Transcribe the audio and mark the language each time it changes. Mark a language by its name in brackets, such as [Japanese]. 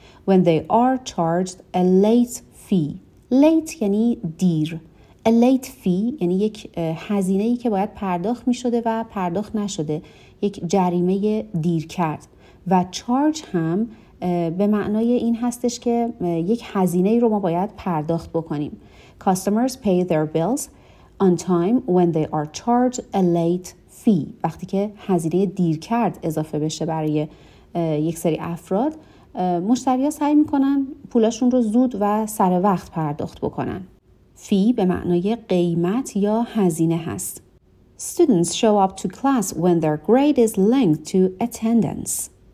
[English] When they are charged a late fee. Late [Persian] یعنی دیر. [English] A late fee [Persian] یعنی یک هزینه‌ای که باید پرداخت می‌شده و پرداخت نشده، یک جریمه دیر کرد. و charge هم به معنای این هستش که یک هزینه‌ای رو ما باید پرداخت بکنیم. [English] Customers pay their bills on time when they are charged a late fee. [Persian] وقتی که هزینه دیر کرد اضافه بشه برای یک سری افراد، مشتری‌ها سعی می‌کنن پولاشون رو زود و سر وقت پرداخت بکنن. فی به معنای قیمت یا هزینه هست. [English] Students show up to class when their grade is linked to attendance.